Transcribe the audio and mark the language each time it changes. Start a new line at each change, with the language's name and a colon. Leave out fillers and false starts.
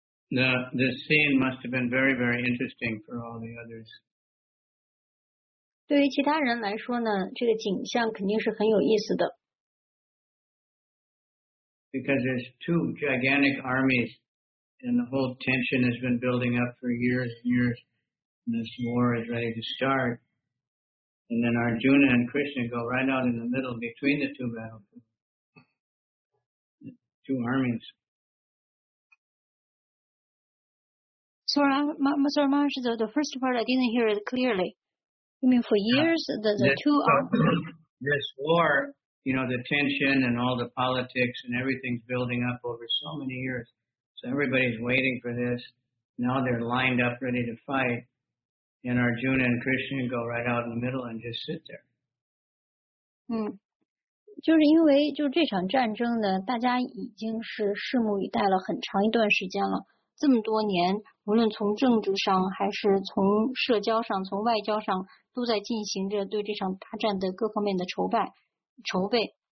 English: This scene must have been very, very interesting for all the others.
Chinese: 对于其他人来说呢，这个景象肯定是很有意思的。
English: Because there's two gigantic armies, and the whole tension has been building up for years and years, and this war is ready to start. And then Arjuna and Krishna go right out in the middle between the two battlefields, the two armies. Sorry, Maharaj, the first part I didn't hear it clearly. You mean for years, this war, you know, the tension and all the politics and everything's building up over so many years. So everybody's waiting for this. Now they're lined up, ready to fight. And Arjuna and Krishna go right out in the middle and just sit there.
Chinese: 就是因为就这场战争呢，大家已经是拭目以待了很长一段时间了。这么多年，无论从政治上还是从社交上、从外交上，都在进行着对这场大战的各方面的筹备。